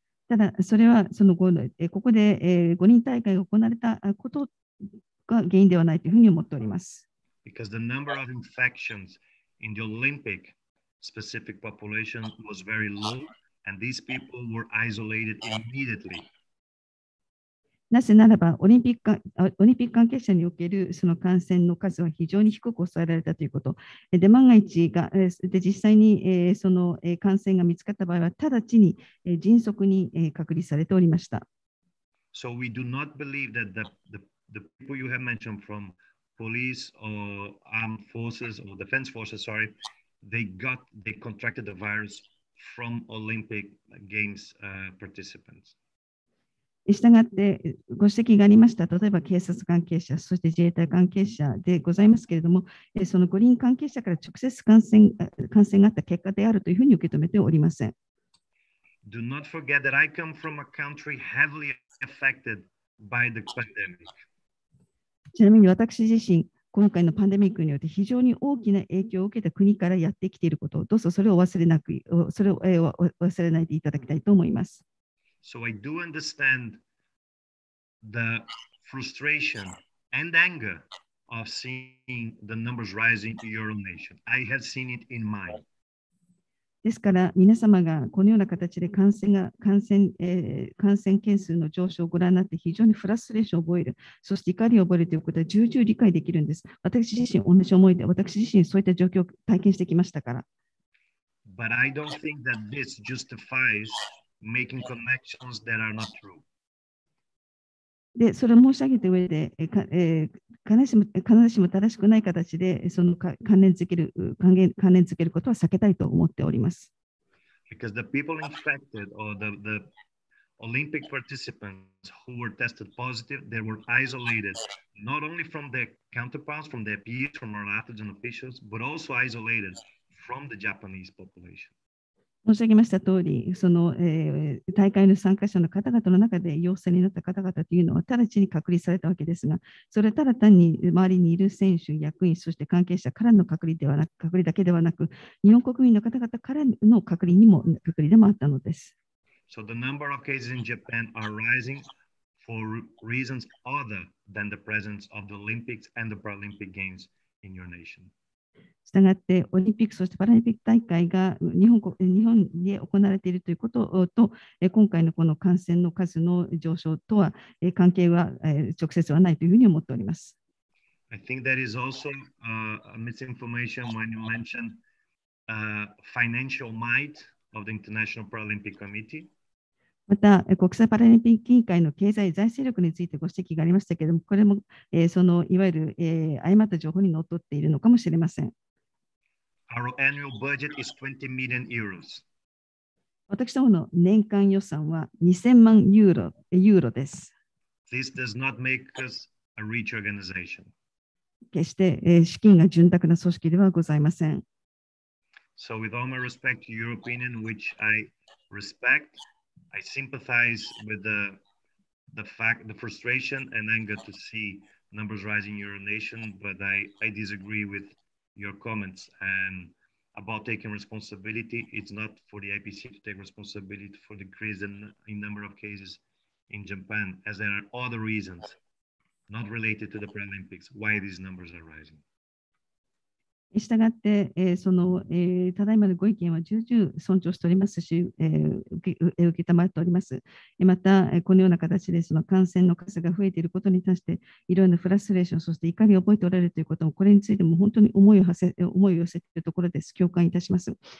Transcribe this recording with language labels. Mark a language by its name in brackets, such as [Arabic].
[Japanese] ただ、それはその後ここで五輪大会が行われたことが原因ではないというふうに思っております。 [English] Because the number of infections in the Olympic specific population was very low, and these people were isolated immediately. [Japanese] なぜならばオリンピック関係者におけるその感染の数は非常に低く抑えられたということ。で、万が一が、で実際にその感染が見つかった場合は、直ちに迅速に隔離されておりました。 [English] So we do not believe that the people you have mentioned from police or armed forces or defense forces, sorry, they contracted the virus from Olympic Games participants. [Japanese] したがってご指摘がありました。例えば警察関係者、そして自衛隊関係者でございますけれども、その五輪関係者から直接感染があった結果であるというふうに受け止めておりません。 [English] Do not forget that I come from a country heavily affected by the pandemic. [Japanese] ちなみに私自身、今回のパンデミックによって非常に大きな影響を受けた国からやってきていることを、どうぞそれを忘れないでいただきたいと思います。 [English] So I do understand the frustration and anger of seeing the numbers rising in your own nation. I have seen it in mine. [Japanese] ですから皆様がこのような形で感染件数の上昇をご覧になって非常にフラストレーションを覚える、そして怒りを覚えるということは重々理解できるんです。私自身同じ思いで、私自身そういった状況を体験してきましたから。 [English] But I don't think that this justifies... Making connections that are not true. [Japanese] で、それを申し上げた上で、必ずしも正しくない形で、その関連づけることは避けたいと思っております。 [English] Because the people infected or the Olympic participants who were tested positive, they were isolated not only from their counterparts, from their peers, from our athletes and officials, but also isolated from the Japanese population. [Japanese] 申し上げました通り、その、大会の参加者の方々の中で陽性になった方々というのは直ちに隔離されたわけですが、それはただ単に周りにいる選手、役員、そして関係者からの隔離だけではなく、日本国民の方々からの隔離でもあったのです。 [English] So the number of cases in Japan are rising for reasons other than the presence of the Olympics and the Paralympic Games in your nation. [Japanese] したがってオリンピックそしてパラリンピック大会が日本で行われているということと今回のこの感染の数の上昇とは関係は直接はないというふうに思っております。 [English] I think that is also a misinformation when you mentioned financial might of the International Paralympic Committee. [Japanese] また国際パラリンピック委員会の経済財政力についてご指摘がありましたけれども、これも、そのいわゆる、誤った情報にのっとっているのかもしれません。 [English] Our annual budget is 20 million euros. [Japanese] 私どもの年間予算は2000万ユーロです。 [English] This does not make us a rich organization. [Japanese] 決して、資金が潤沢な組織ではございません。 [English] So with all my respect to your opinion, which I respect,I sympathize with the frustration and anger to see numbers rising in your nation, but I disagree with your comments and about taking responsibility. It's not for the IPC to take responsibility for the decrease in number of cases in Japan, as there are other reasons not related to the Paralympics why these numbers are rising. [Japanese] したがって、その、ただいまのご意見は重々尊重しておりますし、受けたまっております。また、このような形でその感染の数が増えていることに対して、いろいろなフラストレーション、そして怒りを覚えておられるということも、これについても本当に思いを寄せているところです。共感いたします。